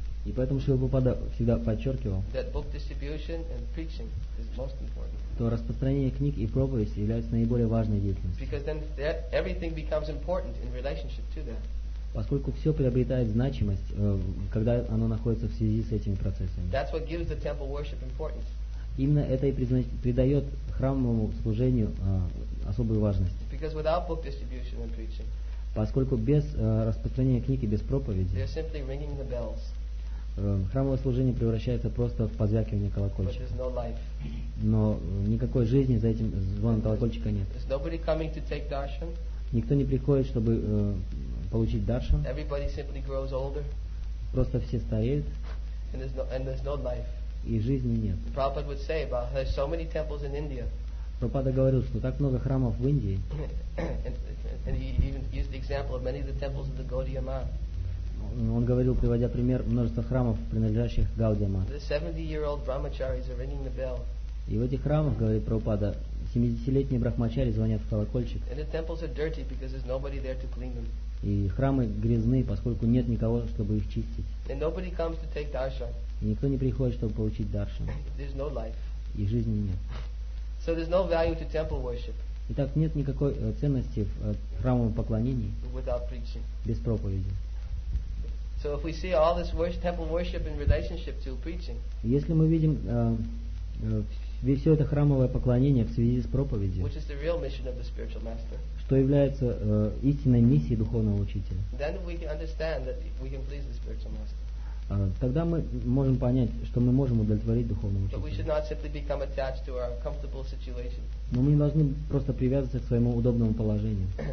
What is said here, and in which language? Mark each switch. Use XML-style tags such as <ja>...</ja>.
<ru>И поэтому Шрила Прабхупада всегда подчеркивал,</ru> <en>that book distribution and preaching is most important.</en> <ru>То распространение книг и проповедь является наиболее важной деятельностью.</ru> <en>Because then that everything becomes important in relationship to that.</en> <ru>Поскольку все приобретает значимость, когда оно находится в связи с этими процессами.</ru> <en>That's what gives the temple worship importance.</en> <ru>Именно это и придает храмовому служению особую важность.</ru> <en>Because without book distribution and preaching,</en> <ru>поскольку без распространения книг и без проповеди,</ru> <en>they're simply ringing the bells.</en> <ru>Храмовое служение превращается просто в позвякивание колокольчика.</ru> <en>But there's no life.</en> <ru>Но никакой жизни за этим звоном колокольчика нет.</ru> <en>There's nobody coming to take darshan.</en> <ru>Никто не приходит, чтобы получить даршан.</ru> <en>Everybody simply grows older.</en> <ru>Просто все стареют.</ru> <en>And there's no life.</en> <ru>И жизни нет.</ru> <en>Prabhupada would say, but there's so many temples in India.</en> <ru>Прабхупада говорил, что так много храмов в Индии.</ru> <en>And he even used the example of many of the temples of the Gaudiya Math.</en> <ru>Он говорил, приводя пример множества храмов, принадлежащих Гаудия Мат.</ru> <en>The 70-year-old brahmacharis are ringing the bell.</en> <ru>И в этих храмах, говорит Прабхупада, 70-летние брахмачари звонят в колокольчик.</ru> <en>And the temples are dirty because there's nobody there to clean them.</en> <ru>И храмы грязны, поскольку нет никого, чтобы их чистить.</ru> <en>And nobody comes to take darshan.</en> <ru>И никто не приходит, чтобы получить даршан.</ru> <en>There's no life.</en> <ru>И жизни нет.</ru> <en>So there's no value to temple worship.</en> <ru>Итак, нет никакой ценности в храмовом поклонении.</ru> <en>Without preaching.</en> <ru>Без проповеди.</ru> <en>So if we see all this temple worship in relationship to preaching.</en> <ru>Если мы видим все это храмовое поклонение в связи с проповедью.</ru> <en>Which is the real mission of the spiritual master.</en> <ru>Что является истинной миссией духовного учителя.</ru> <en>Then we can understand that we can please the spiritual master.</en> <ru>Тогда мы можем понять, что мы можем удовлетворить духовному учителю. Но мы не должны просто привязываться к своему удобному положению.</ru>